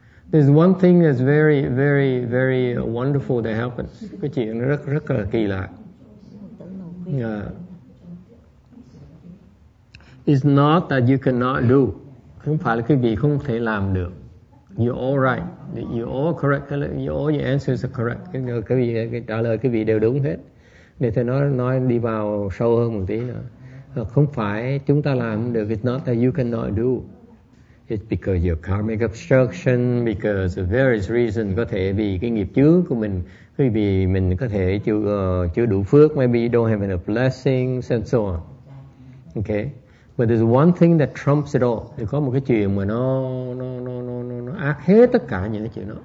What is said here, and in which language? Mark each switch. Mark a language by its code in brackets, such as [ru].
[en] There's one thing that's very, very, very wonderful that happens. [vi] Cái chuyện rất rất là kỳ lạ. [en] It's not that you cannot do. [vi] Không phải là quý vị không thể làm được. [en] You're all right. You're all correct. All your answers are correct. [vi] Cái trả lời quý vị đều đúng hết. Để tôi nói đi vào sâu hơn một tí nữa. Không phải chúng ta làm được. [en] It's not that you cannot do. It's because your karmic obstruction, because of various reasons, [vi] có thể vì cái nghiệp chướng của mình, quý vị mình có thể chưa đủ phước, [en] maybe you don't have enough blessings and so on. Okay. But there's one thing that trumps it all. [vi] Thì có một cái chuyện mà nó ác hết tất cả những cái chuyện đó.